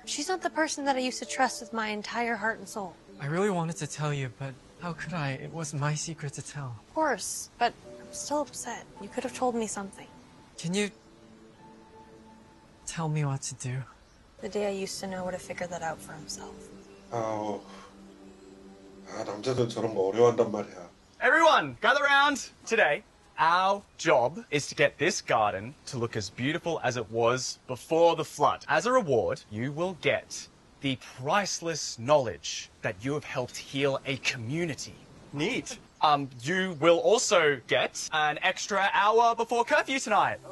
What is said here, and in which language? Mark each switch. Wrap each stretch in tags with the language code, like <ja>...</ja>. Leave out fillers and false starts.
<en>She's not the person that I used to trust with my entire heart and soul. I really wanted to tell you, but how could I? It was my secret to tell. Of course, but I'm still upset. You could have told me something. Can you tell me what to do? The Day I used to know would have figured that out for himself. Oh.</en> <ko>아, 남자들은 저런 거 어려워한단 말이야.</ko> <en>Everyone, gather around! Today, our job is to get this garden to look as beautiful as it was before the flood. As a reward, you will get the priceless knowledge that you have helped heal a community. Neat! You will also get an extra hour before curfew tonight.</en>